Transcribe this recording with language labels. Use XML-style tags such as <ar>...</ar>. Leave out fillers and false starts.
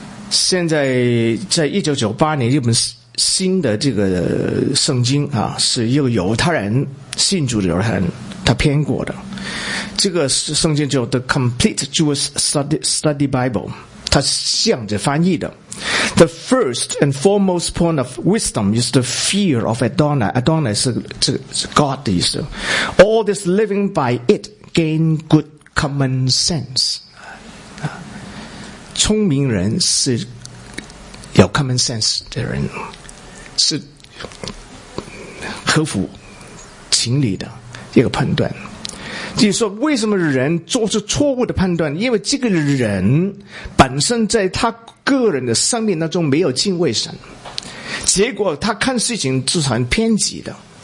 <zh>现在1998年一本新的这个圣经啊，是一个犹太人信主的犹太人他编过的，这个圣经叫 The Complete Jewish Study Bible， 它向着翻译的。</zh> <en>The first and foremost point of wisdom is the fear of Adonai.</en> <zh>Adonai 是 God 的意思。</zh> <en>All this living by it gain good common sense.</en> <zh>聪明人是有 common sense 的人，是合乎情理的一个判断。你说为什么人做出错误的判断？因为这个人本身在他个人的生命当中没有敬畏神，结果他看事情是很偏激的。</zh>